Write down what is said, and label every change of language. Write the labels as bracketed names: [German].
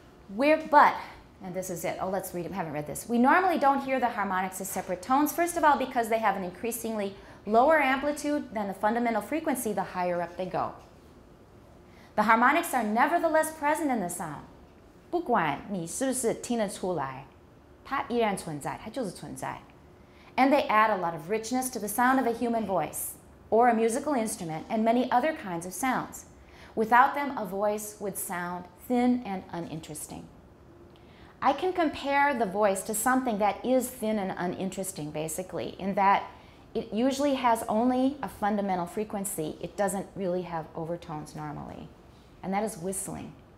[English] And this is it. Oh, let's read it. I haven't read this. We normally don't hear the harmonics as separate tones, first of all, because they have an increasingly lower amplitude than the fundamental frequency the higher up they go. The harmonics are nevertheless present in the sound. [Chinese] 不管你是不是听得出来，它依然存在，它就是存在。 [English] And they add a lot of richness to the sound of a human voice. Or a musical instrument, and many other kinds of sounds. Without them, a voice would sound thin and uninteresting. I can compare the voice to something that is thin and uninteresting, basically, in that it usually has only a fundamental frequency. It doesn't really have overtones normally. And that is whistling.